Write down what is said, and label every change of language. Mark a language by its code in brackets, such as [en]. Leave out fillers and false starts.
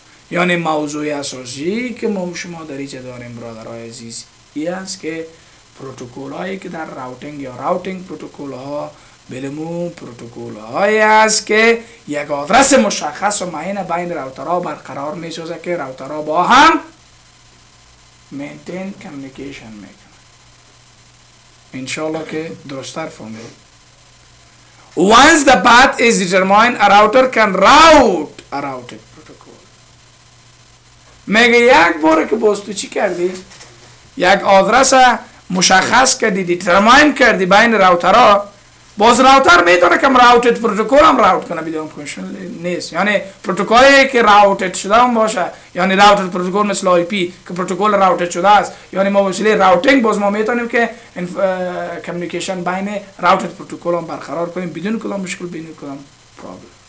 [fa] یعنی موضوع اساسی که ما شما در اینجا داریم برادرای عزیز این است که پروتکل هایی که در راوتینگ یا راوتینگ پروتکل ها بلمون پروتکل هایی است که یک آدرس مشخص و معین بین راوترها برقرار می سازه که راوترها با هم مینتین کمیونیکیشن میکنن. انشاءالله که درستر فهمید. [en] Once the path is determined a router can route a routed protocol. [fa] میگه یک بار که باز تو چی کردی؟ یک آدرس مشخص کردی دیترماین کردی بین راوترها باز راوتر میتونه که راوتد پروتکل هم راوت کنه بدون کوشن نیست. یعنی پروتکلی که راوتد شده هم باشه یعنی راوتد پروتکل مثل آی پی که پروتکل راوتد شده است یعنی ما وسیله راوتینگ باز ما میتونیم که کمیونیکیشن بین راوتد پروتکل هم برقرار کنیم بدون کلام مشکل بین کلام پرابلم.